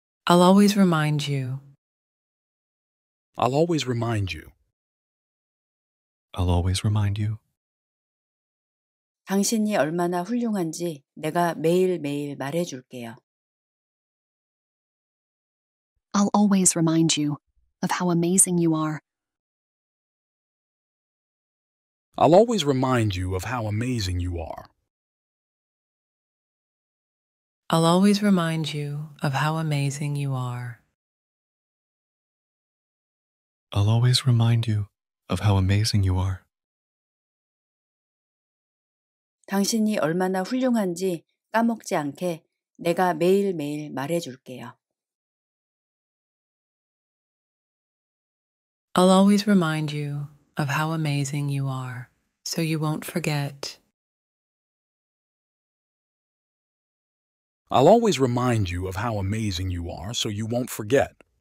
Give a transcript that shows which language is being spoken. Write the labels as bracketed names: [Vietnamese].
[Korean] 당신이 얼마나 훌륭한지 내가 매일매일 말해줄게요. [English] I'll always remind you of how amazing you are. I'll always remind you of how amazing you are. I'll always remind you of how amazing you are. I'll always remind you of how amazing you are. [Korean] 당신이 얼마나 훌륭한지 까먹지 않게 내가 매일매일 말해줄게요. [English] I'll always remind you of how amazing you are. So you won't forget. I'll always remind you of how amazing you are, so you won't forget.